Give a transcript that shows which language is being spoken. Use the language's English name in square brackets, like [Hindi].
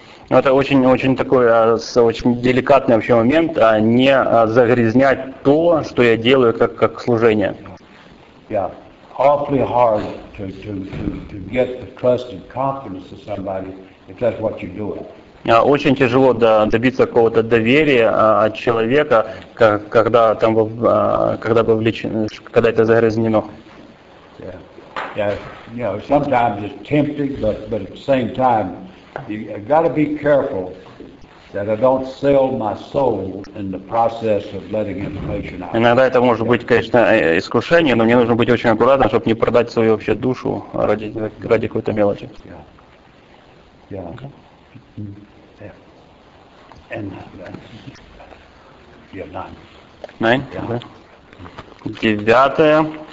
[Russian] Это очень такой очень деликатный вообще момент, не загрязнять то, что я делаю как служение. [English] Yeah. Awfully hard to get the trust and confidence of somebody if that's what you're doing. [Russian] Очень тяжело добиться какого-то доверия от человека, когда это загрязнено. [English] Yeah. Sometimes it's tempting, but at the same time, I've got to be careful that I don't sell my soul in the process of letting information out. [Russian] Иногда это может быть, конечно, искушение, но мне нужно быть очень аккуратным, чтобы не продать свою вообще душу ради какой-то мелочи. [English] Yeah. Yeah. Yeah. And yeah, nine. [Russian] Yeah. Девятое.